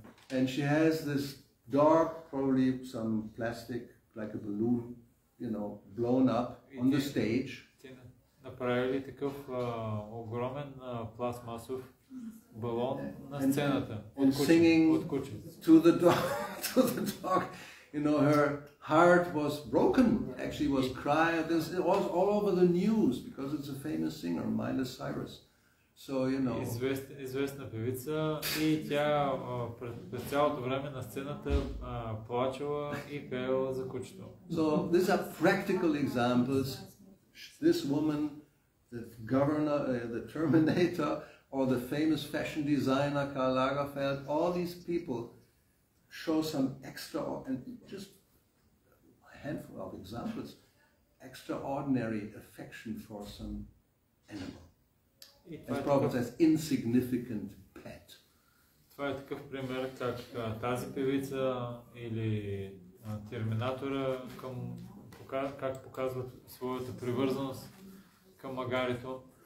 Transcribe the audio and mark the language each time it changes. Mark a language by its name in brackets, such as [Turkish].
[English] And she has this dog, probably some plastic, like a balloon, you know, blown up on the stage. [Bulgarian] Направили такъв огромен пластмасов балон на сцената. [English] And singing to the dog. You know, her heart was broken, actually was crying. This it was all over the news because it's a famous singer, Miley Cyrus. So, you know. [Bulgarian] Известна певица и тя през цялото време на сцената плачела и пела за кучето. [English] So, these are practical examples. This woman, the governor, the Terminator, or the famous fashion designer Karl Lagerfeld, all these people show some extra and just a handful of examples, extraordinary affection for some animal. As Prabhupada says, insignificant pet. [Bulgarian] Това е такъв пример, как тази певица или терминатора как показват своята привързаност към магарето.